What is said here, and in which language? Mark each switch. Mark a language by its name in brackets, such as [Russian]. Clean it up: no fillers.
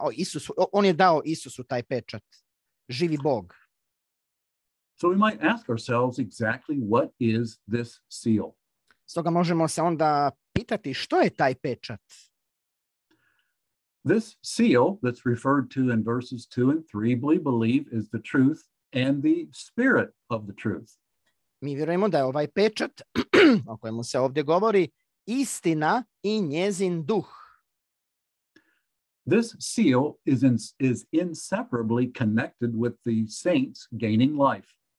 [Croatian] O, Isus, on je dao Isusu taj pečat. Živi Bog. [English] So we might ask ourselves exactly what is this seal. [Croatian] Stoga možemo se onda pitati što je taj pečat. [English] This seal that's referred to in verses 2 and 3, we believe, is the truth and the spirit of the truth. [Croatian] Mi vjerujemo da je ovaj pečat o kojemu se ovdje govori istina i njezin duh. [English] This seal is inseparably connected with the saints gaining life.